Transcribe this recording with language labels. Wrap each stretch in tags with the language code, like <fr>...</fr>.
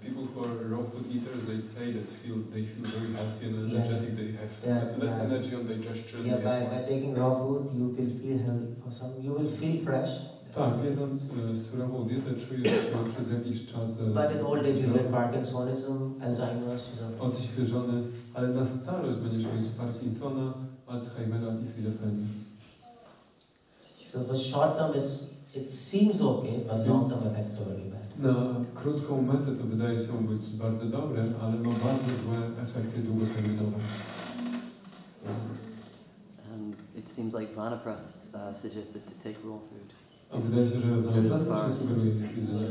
<en>People who are raw food eaters, they say that they feel very healthy and energetic. Yeah. They have less energy on digestion. Yeah, by taking raw food, you will feel healthy. For some, you will feel fresh.</en> <pl>Tak, jedząc surową dietę, czujesz się przez jakiś czas...</pl> <en>But in old age, you'll get Parkinsonism, Alzheimer's, you know.</en> <pl>Odświeżony, ale na starość będziesz mieć Parkinsona, Alzheimera i schizofrenię.</pl> <en>So for short term it seems okay, but long term effects are very bad.</en> <pl>Na krótką metę to wydaje się być bardzo dobre, ale ma bardzo złe efekty długoterminowe.</pl> <en>It seems like Vanaprasth suggested to take raw food.</en> <pl>A wydaje się, że Vanaprasth się sugeruje.</pl>